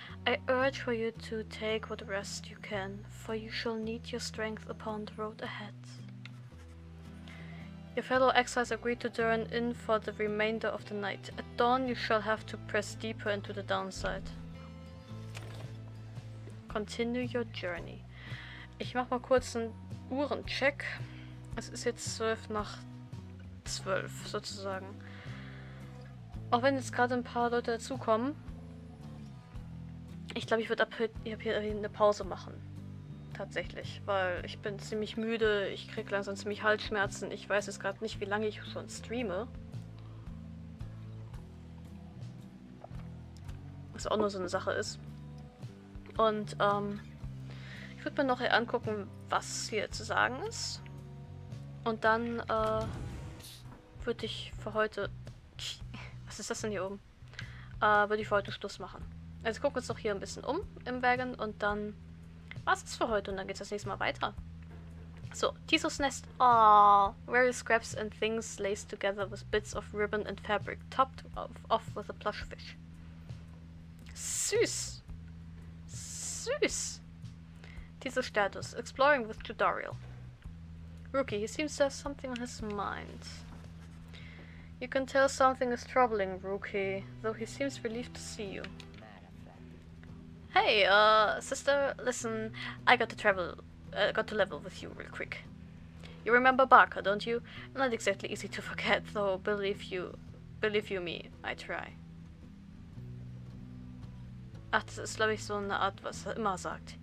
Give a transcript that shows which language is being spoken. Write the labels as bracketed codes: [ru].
[en] I urge for you to take what rest you can, for you shall need your strength upon the road ahead. Your fellow exiles agree to turn in for the remainder of the night. At dawn, you shall have to press deeper into the downside. Continue your journey. [de] Ich mach mal kurz einen Uhrencheck. Es ist jetzt 12 nach 12 sozusagen. Auch wenn jetzt gerade ein paar Leute dazukommen. Ich glaube, ich würde hier eine Pause machen. Tatsächlich, weil ich bin ziemlich müde, ich kriege langsam ziemlich Halsschmerzen. Ich weiß jetzt gerade nicht, wie lange ich schon streame. Was auch nur so eine Sache ist. Und ich würde mir noch eher angucken, was hier zu sagen ist. Und dann würde ich für heute... Was ist das denn hier oben? Würde ich für heute Schluss machen. Also gucken wir uns doch hier ein bisschen um im Wagon und dann war's das für heute und dann geht's das nächste Mal weiter. So, Tiso's Nest. Aww. [en] Various scraps and things laced together with bits of ribbon and fabric topped off with a plush fish. [de] Süß. Süß. Tiso's Status. [en] Exploring with Tutorial. Rookie, he seems to have something on his mind. You can tell something is troubling, Rookie, though he seems relieved to see you. Hey, sister, listen, I got to travel, got to level with you real quick. You remember Barker, don't you? Not exactly easy to forget, though, believe you me, I try. [de] Ach, das ist, glaube ich, so eine Art, was er immer sagt.